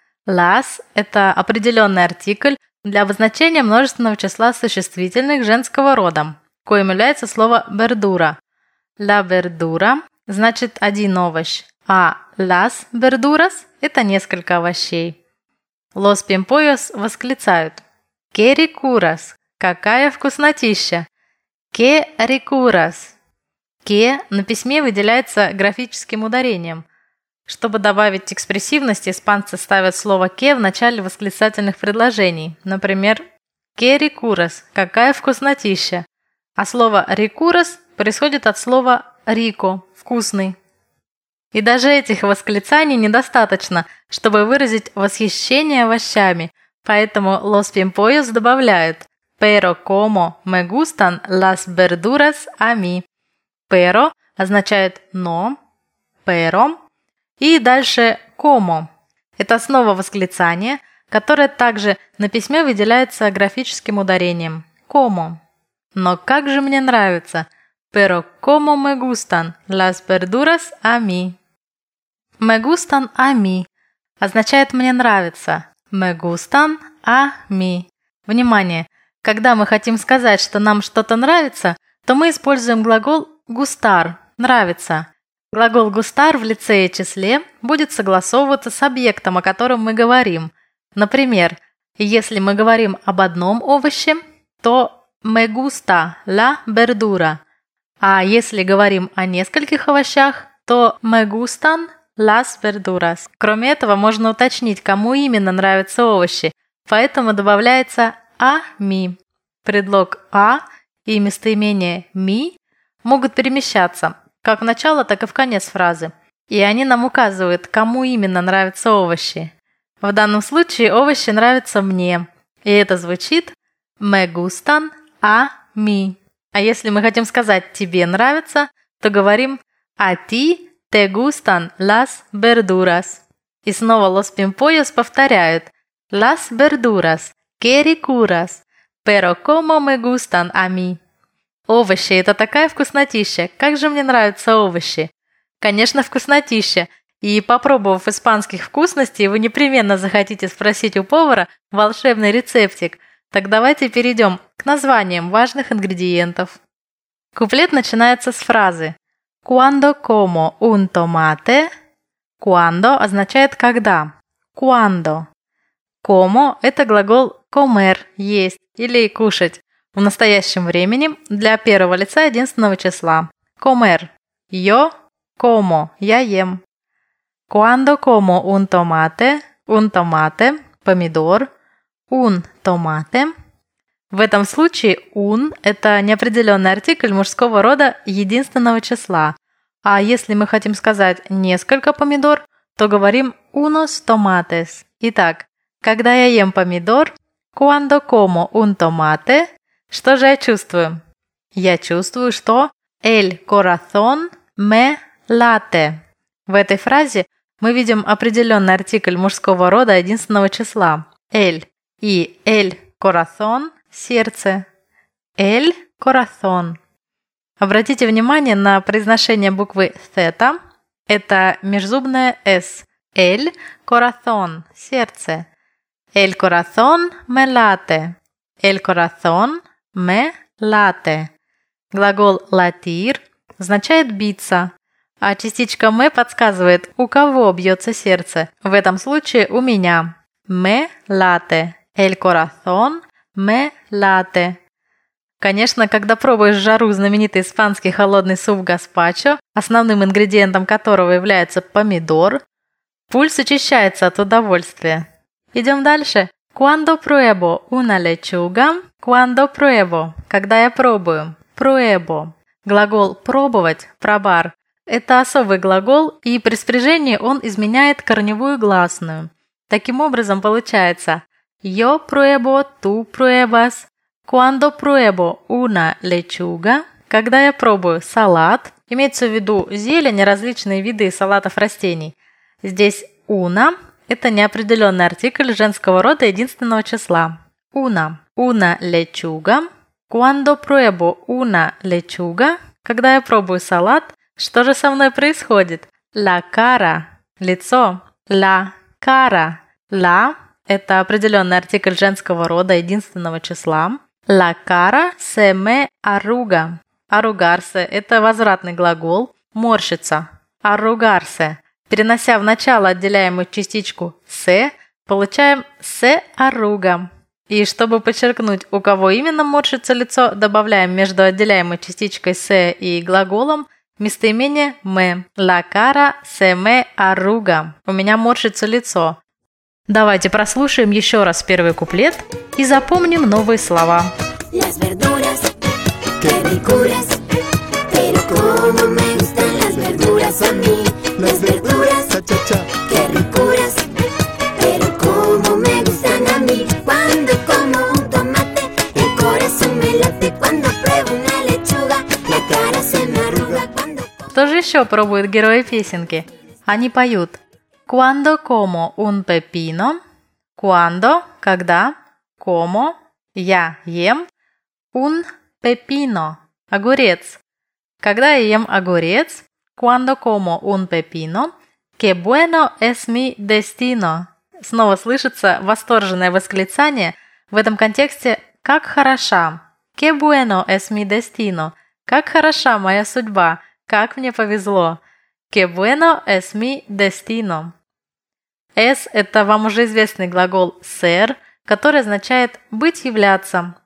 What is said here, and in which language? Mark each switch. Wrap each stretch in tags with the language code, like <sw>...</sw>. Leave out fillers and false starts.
<ru>«Las» — это определенный артикль для обозначения множественного числа существительных женского рода, коим является слово «verdura».</ru> <es>«La verdura»</es> <ru>— значит «один овощ», а</ru> <es>«las verduras»</es> <ru>— это несколько овощей. «Los pimpollos» восклицают</ru> <es>«qué ricuras».</es> <ru>Какая вкуснотища!</ru> <es>Que ricuras.</es> <ru>Que на письме выделяется графическим ударением. Чтобы добавить экспрессивности, испанцы ставят слово que в начале восклицательных предложений. Например,</ru> <es>que ricuras.</es> <ru>Какая вкуснотища! А слово ricuras происходит от слова rico – вкусный. И даже этих восклицаний недостаточно, чтобы выразить восхищение овощами. Поэтому</ru> <es>Los Pimpollos</es> <ru>добавляют</ru> <es>«Pero como me gustan las verduras a mí».</es> <ru>«Pero» означает «но», «pero». И дальше «como». Это снова восклицание, которое также на письме выделяется графическим ударением «como». «Но как же мне нравится!»</ru> <es>«Pero como me gustan las verduras a mí». «Me gustan a mí»</es> <ru>означает «мне нравится».</ru> <es>«Me gustan a mí».</es> <ru>Внимание! Когда мы хотим сказать, что нам что-то нравится, то мы используем глагол «gustar» – «нравится». Глагол «gustar» в лице и числе будет согласовываться с объектом, о котором мы говорим. Например, если мы говорим об одном овоще, то</ru> <es>«me gusta la verdura».</es> <ru>А если говорим о нескольких овощах, то</ru> <es>«me gustan las verduras».</es> <ru>Кроме этого, можно уточнить, кому именно нравятся овощи, поэтому добавляется</ru> <es>«a mí».</es> <ru>Предлог «a» и местоимение «mí» могут перемещаться как в начало, так и в конец фразы. И они нам указывают, кому именно нравятся овощи. В данном случае овощи нравятся мне. И это звучит</ru> <es>«me gustan a mí».</es> <ru>А если мы хотим сказать «тебе нравится», то говорим</ru> <es>«a ti te gustan las verduras».</es> <ru>И снова «Los Pimpollos» повторяют</ru> <es>«las verduras». Que ricuras, pero como me gustan a mí.</es> <ru>Овощи – это такая вкуснотища. Как же мне нравятся овощи? Конечно, вкуснотища. И попробовав испанских вкусностей, вы непременно захотите спросить у повара волшебный рецептик. Так давайте перейдем к названиям важных ингредиентов. Куплет начинается с фразы «Cuando como un tomate?» «Cuando» означает «когда». «Cuando». «Como» – это глагол «comer» – «есть» или «кушать». В настоящем времени для первого лица единственного числа.</ru> <es>Comer. Yo como.</es> <ru>Я ем.</ru> <es>Cuando como un tomate. Un tomate.</es> <ru>Помидор.</ru> <es>Un tomate.</es> <ru>В этом случае un – это неопределенный артикль мужского рода единственного числа. А если мы хотим сказать несколько помидор, то говорим</ru> <es>unos tomates.</es> <ru>Итак, когда я ем помидор,</ru> <es>cuando como un tomate,</es> <ru>что же я чувствую? Я чувствую, что</ru> <es>el corazón me late.</es> <ru>В этой фразе мы видим определенный артикль мужского рода единственного числа. El. И</ru> <es>el corazón</es> <ru>– сердце.</ru> <es>El corazón.</es> <ru>Обратите внимание на произношение буквы theta. Это межзубное S.</ru> <es>El corazón –</es> <ru>сердце.</ru> <es>El corazón me late. El corazón me late.</es> <ru>Глагол latir означает биться. А частичка me подсказывает, у кого бьется сердце. В этом случае у меня.</ru> <es>Me late. El corazón me late.</es> <ru>Конечно, когда пробуешь жару знаменитый испанский холодный суп гаспачо, основным ингредиентом которого является помидор, пульс очищается от удовольствия. Идем дальше.</ru> <es>Cuando pruebo una lechuga, cuando pruebo,</es> <ru>когда я пробую,</ru> <es>pruebo.</es> <ru>Глагол пробовать, пробар, это особый глагол, и при спряжении он изменяет корневую гласную. Таким образом получается,</ru> <es>yo pruebo, tú pruebas, cuando pruebo una lechuga,</es> <ru>когда я пробую салат, имеется в виду зелень и различные виды салатов растений. Здесь una – это неопределенный артикль женского рода единственного числа.</ru> <es>Una. Una lechuga. Cuando pruebo una lechuga.</es> <ru>Когда я пробую салат, что же со мной происходит?</ru> <es>La cara.</es> <ru>Лицо.</ru> <es>La cara.</es> <ru>La – это определенный артикль женского рода единственного числа.</ru> <es>La cara se me arruga.</es> <ru>Arrugarse – это возвратный глагол. Морщиться.</ru> <es>Arrugarse.</es> <ru>Перенося в начало отделяемую частичку «se», получаем «se arruga». И чтобы подчеркнуть, у кого именно морщится лицо, добавляем между отделяемой частичкой «se» и глаголом местоимение «me».</ru> <es>«La cara se me arruga».</es> <ru>«У меня морщится лицо». Давайте прослушаем еще раз первый куплет и запомним новые слова.</ru> <es>«Las verduras, que me curas, pero como me gustan las verduras a mí». Las verduras, cha-cha-cha, qué ricuras, pero como me gustan a mí. Cuando como un tomate, el corazón me late. Cuando pruebo una lechuga, la cara se me arruga.</es> <ru>Кто же еще пробует герои песенки? Они поют.</ru> <es>Cuando como un pepino, cuando,</es> <ru>когда,</ru> <es>como,</es> <ru>я ем,</ru> <es>un pepino,</es> <ru>огурец. Когда я ем огурец,</ru> <es>Cuando como un pepino, qué bueno es mi destino.</es> <ru>Снова слышится восторженное восклицание. В этом контексте «как хороша».</ru> <es>Qué bueno es mi destino.</es> <ru>Как хороша моя судьба. Как мне повезло.</ru> <es>Qué bueno es mi destino.</es> <ru>Es – это вам уже известный глагол ser, который означает «быть, являться».</ru>